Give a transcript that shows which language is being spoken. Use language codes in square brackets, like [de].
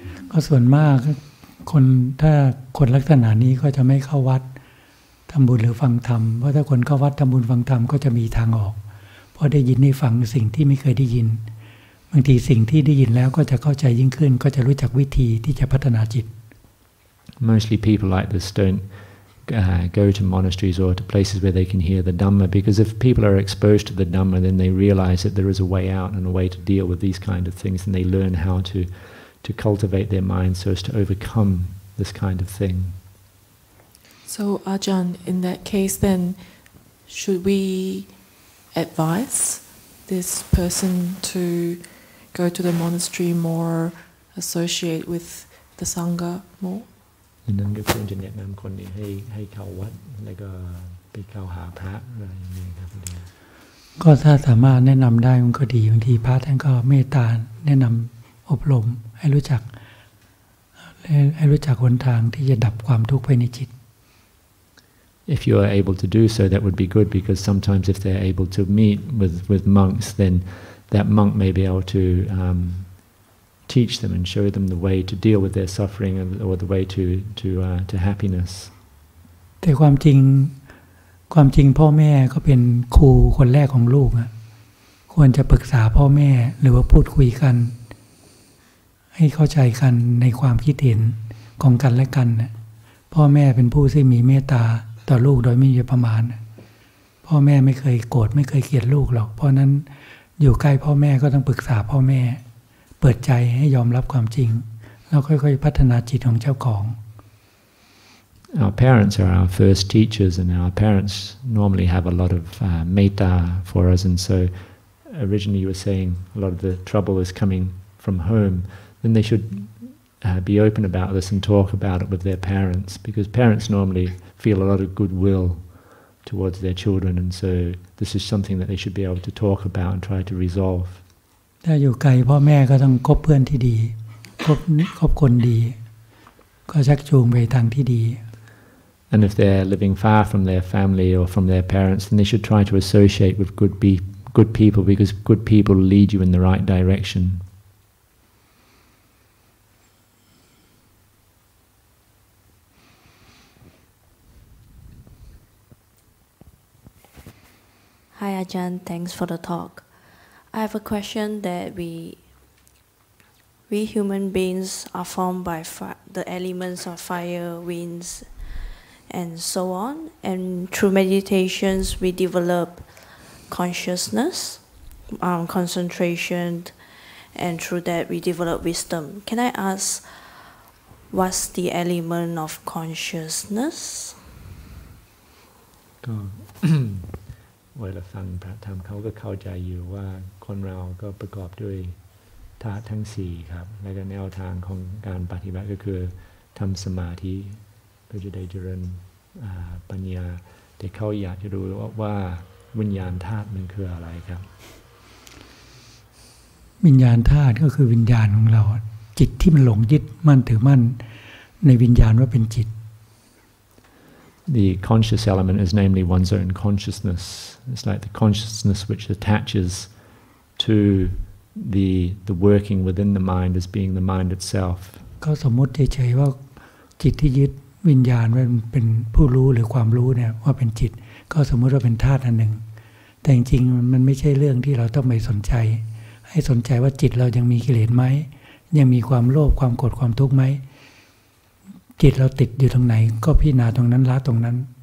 [th] ก็ส่วนมากคนถ้าคนลักษณะนี้ก็จะไม่เข้าวัดทำบุญหรือฟังธรรมเพราะถ้าคนเข้าวัดทำบุญฟังธรรมก็จะมีทางออกเพราะได้ยินได้ฟังสิ่งที่ไม่เคยได้ยินบางทีสิ่งที่ได้ยินแล้วก็จะเข้าใจยิ่งขึ้นก็จะรู้จักวิธีที่จะพัฒนาจิต [en] Mostly people like this don'tGo to monasteries or to places where they can hear the Dhamma because if people are exposed to the Dhamma then they realize that there is a way out and a way to deal with these kind of things and they learn how to cultivate their mind so as to overcome this kind of thing. So Ajahn, in that case then, should we advise this person to go to the monastery more, associate with the Sangha more? [th] นั่นก็คือจะแนะนำคนนี้ให้เข้าวัดแล้วก็ไปเข้าหาพระอะไรอย่างนี้ครับ ก็ถ้าสามารถแนะนำได้มันก็ดีบางทีพระท่านก็เมตตาแนะนำอบรมให้รู้จักให้รู้จักหนทางที่จะดับความทุกข์ภายในจิต [en] If you are able to do so, that would be good because sometimes if they're able to meet with monks, then that monk may be able to teach them and show them the way to deal with their suffering or the way to happiness. [th] แต่ความจริงพ่อแม่ก็เป็นครูคนแรกของลูกอ่ะควรจะปรึกษาพ่อแม่หรือว่าพูดคุยกันให้เข้าใจกันในความคิดเห็นของกันและกันพ่อแม่เป็นผู้ที่มีเมตตาต่อลูกโดยไม่มีประมาณพ่อแม่ไม่เคยโกรธไม่เคยเกลียดลูกหรอกเพราะนั้นอยู่ใกล้พ่อแม่ก็ต้องปรึกษาพ่อแม่เปิดใจให้ยอมรับความจริงแล้วค่อยๆพัฒนาจิตของเจ้าของ [en] Our parents are our first teachers and our parents normally have a lot of metta for us and so originally you were saying a lot of the trouble is coming from home then they shouldbe open about this and talk about it with their parents because parents normally feel a lot of goodwill towards their children and so this is something that they should be able to talk about and try to resolve [th] ถ้าอยู่ไกลพ่อแม่ก็ต้องคบเพื่อนที่ดีคบคนดีก็ชักจูงไปทางที่ดี [en] and if they're living far from their family or from their parents then they should try to associate with good people because good people lead you in the right direction Hi Ajahn, thanks for the talk. I have a question that we human beings are formed by the elements of fire, winds, and so on. And through meditations, we develop consciousness, concentration, and through that we develop wisdom. Can I ask what's the element of consciousness? [th] เวลาฟังพระธรรมเขาก็เข้าใจอยู่ว่าคนเราก็ประกอบด้วยธาตุทั้ง4ครับและก็แนวทางของการปฏิบัติก็คือทำสมาธิเพื่อจะได้เจริญปัญญาแต่เขาอยากจะรู้ว่าวิญญาณธาตุมันคืออะไรครับ วิญญาณธาตุก็คือวิญญาณของเราจิตที่มันหลงยึดมั่นถือมั่นในวิญญาณว่าเป็นจิต [en] The conscious element is namely one's own consciousness. It's like the consciousness which attaches to the working within the mind as being the mind itself. [th] ก็สมมติเฉยๆว่าจิตที่ยึดวิญญาณว่าเป็นผู้รู้หรือความรู้เนี่ยว่าเป็นจิตก็สมมติว่าเป็นธาตุอันหนึ่งแต่จริงๆมันไม่ใช่เรื่องที่เราต้องไปสนใจให้สนใจว่าจิตเรายังมีกิเลสไหมยังมีความโลภความโกรธความทุกข์ไหมจิตเราติดอยู่ตรงไหนก็พิจารณาตรงนั้นละตรงนั้น